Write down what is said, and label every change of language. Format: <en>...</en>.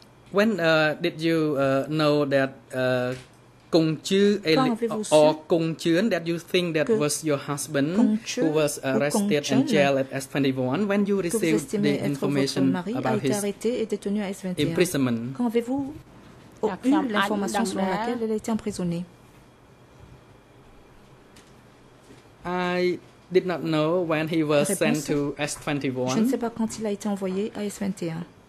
<en>When did you know that Kong Chu or Kong Chuen that you think that was your husband who was arrested in jail at S21 when you received the information about his imprisonment?</en> <fr>Quand avez-vous eu l'information selon laquelle elle a été emprisonnée?</fr> <en>I did not know when he was sent to S21.</en> <fr>Je ne sais pas quand il a été envoyé à S21.</fr>